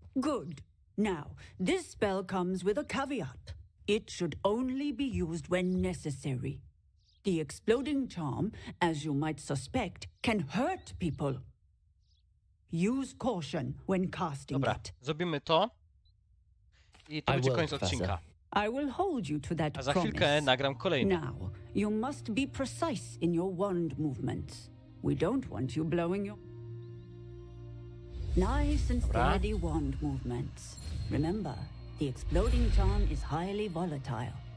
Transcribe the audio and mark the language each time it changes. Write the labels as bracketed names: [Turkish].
[English] Good. Now, this spell comes with a caveat. It should only be used when necessary. The exploding charm, as you might suspect, can hurt people. Use caution when casting. [Polish] Dobra, [English] it. [Polish] Zrobimy to. I to będzie koniec odcinka. [English] I will hold you to that promise. [Polish] A za chwilkę nagram kolejny. [English] Now, you must be precise in your wand movements. We don't want you blowing your... Nice and steady wand movements. Remember, the exploding charm is highly volatile.